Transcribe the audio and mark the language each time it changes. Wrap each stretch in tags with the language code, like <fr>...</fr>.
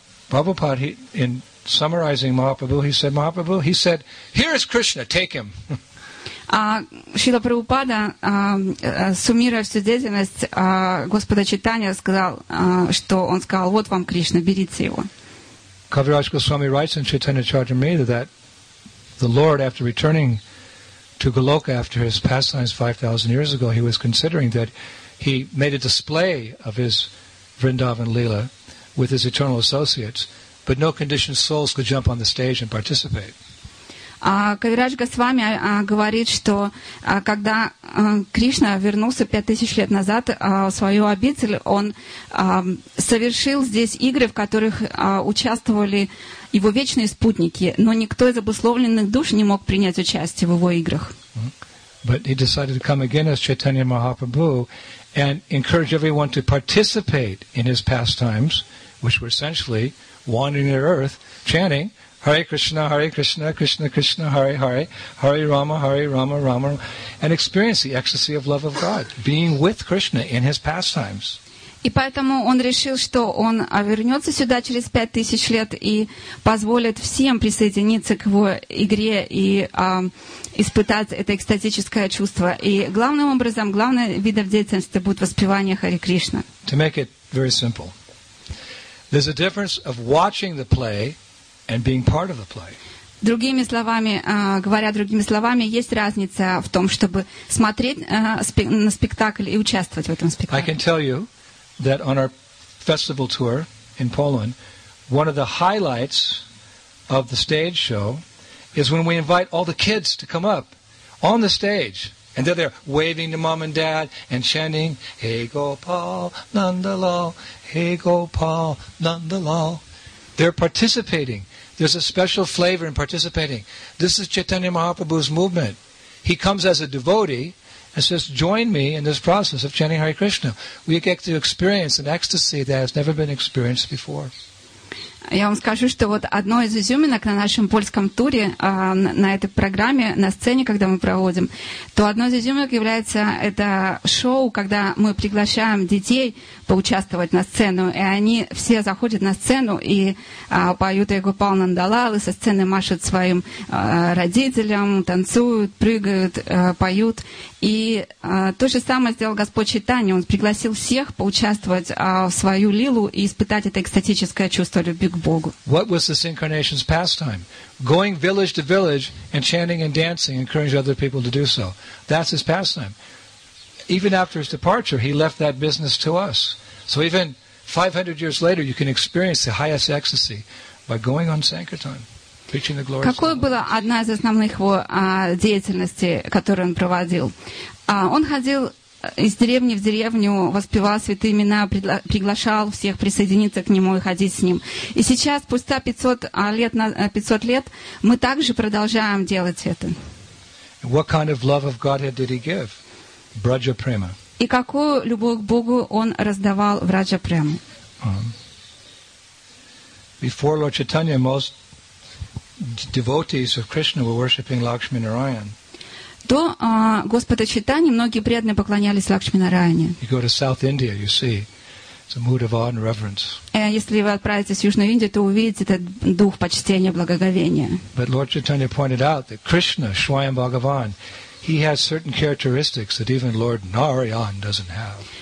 <en>Prabhupada, in summarizing Mahaprabhu, he said, here is Krishna, take him.</en> <ru>Шрила Прабхупада, суммируя всю деятельность Господа Чайтанья, сказал, что он сказал, вот вам Кришна, берите его.</ru> <en>Kaviraj Goswami writes in Chaitanya Charitamrita that the Lord, after returning to Goloka after his pastimes 5,000 years ago, he was considering that he made a display of his Vrindavan Leela with his eternal associates, but no conditioned souls could jump on the stage and participate.</en> <ru>Кавирадж Госвами говорит, что когда Кришна вернулся 5000 лет назад в свою обитель, он совершил здесь игры, в которых участвовали его вечные спутники, но никто из обусловленных душ не мог принять участие в его играх.</ru> <en>But he decided to come again as Chaitanya Mahaprabhu and encourage everyone to participate in his pastimes, which were essentially wandering the earth, chanting, Hare Krishna, Krishna Krishna, Hare Hare, Hare Rama, Rama Rama, and experience the ecstasy of love of God, being with Krishna in his pastimes.</en> <ru>И поэтому он решил, что он вернется сюда через 5000 лет и позволит всем присоединиться к его игре и испытать это экстатическое чувство. И главным образом, главный вид деятельности будет воспевание Хари Кришна.</ru> <en>To make it very simple, there's a difference of watching the play and being part of the play.</en> <ru>Другими словами, говоря другими словами, есть разница в том, чтобы смотреть на спектакль и участвовать в этом спектакле.</ru> <en>I can tell you that on our festival tour in Poland, one of the highlights of the stage show is when we invite all the kids to come up on the stage. And they're there waving to mom and dad and chanting, Hey Gopal Nandalal, Hey Gopal Nandalal. They're participating. There's a special flavor in participating. This is Chaitanya Mahaprabhu's movement. He comes as a devotee and says, join me in this process of chanting Hare Krishna. We get to experience an ecstasy that has never been experienced before.</en> <ru>Я вам скажу, что вот одно из изюминок на нашем польском туре, на этой программе, на сцене, когда мы проводим, то одно из изюминок является это шоу, когда мы приглашаем детей поучаствовать на сцену, и они все заходят на сцену и поют Гопал Нандалал, и со сцены машут своим родителям, танцуют, прыгают, поют. И то же самое сделал Господь Чайтанья. Он пригласил всех поучаствовать в свою лилу и испытать это экстатическое чувство любви к Богу.</ru> <en>What was this incarnation's pastime? Going village to village and chanting and dancing, encouraging other people to do so. That's his pastime. Even after his departure, he left that business to us. So even 500 years later, you can experience the highest ecstasy by going on Sankirtan.</en> <ru>Какой была одна из основных его деятельности, которую он проводил? Он ходил из деревни в деревню, воспевал святые имена, приглашал всех присоединиться к нему и ходить с ним. И сейчас, спустя 500 лет, мы также продолжаем делать это.</ru> <en>What kind of love of Godhead did he give? Vraja Prema.</en> <ru>И какую любовь к Богу он раздавал Vraja Prema?</ru> <en>Before Lord Chaitanya, most devotees of Krishna were worshipping Lakshmi Narayan.</en> <ru>До Господа Чайтаньи многие преданные поклонялись Лакшми Нараяне.</ru> <en>You go to South India, you see It's a mood of awe and reverence.</en> <ru>Если вы отправитесь в Южную Индию, то увидите этот дух почтения, благоговения.</ru> <en>But Lord Chaitanya pointed out that Krishna, Swayam Bhagavan, he has certain characteristics that even Lord Narayan doesn't have.</en>